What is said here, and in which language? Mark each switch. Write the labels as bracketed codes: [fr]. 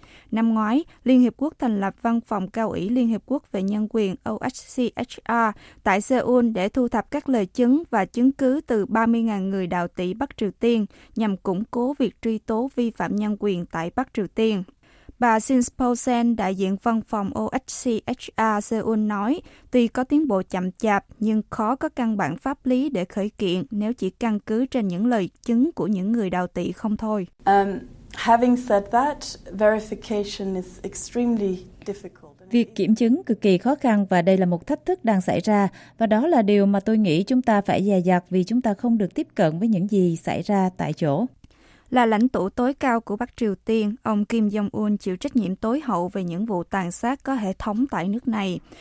[vi] Năm ngoái, Liên Hiệp Quốc thành lập Văn phòng Cao ủy Liên Hiệp Quốc về Nhân quyền OHCHR tại Seoul để thu thập các lời chứng và chứng cứ từ 30.000 người đạo tị Bắc Triều Tiên nhằm củng cố việc truy tố vi phạm nhân quyền tại Bắc Triều Tiên. Bà Shin Paulsen, đại diện văn phòng OHCHR Seoul nói, tuy có tiến bộ chậm chạp nhưng khó có căn bản pháp lý để khởi kiện nếu chỉ căn cứ trên những lời chứng của những người đạo tị không thôi. [en] Having said that, verification is extremely difficult. [vi] Việc kiểm chứng cực kỳ khó khăn và đây là một thách thức đang xảy ra, và đó là điều mà tôi nghĩ chúng ta phải dè dặt vì chúng ta không được tiếp cận với những gì xảy ra tại chỗ. Là lãnh tụ tối cao của Bắc Triều Tiên, ông Kim Jong-un chịu trách nhiệm tối hậu về những vụ tàn sát có hệ thống tại nước này.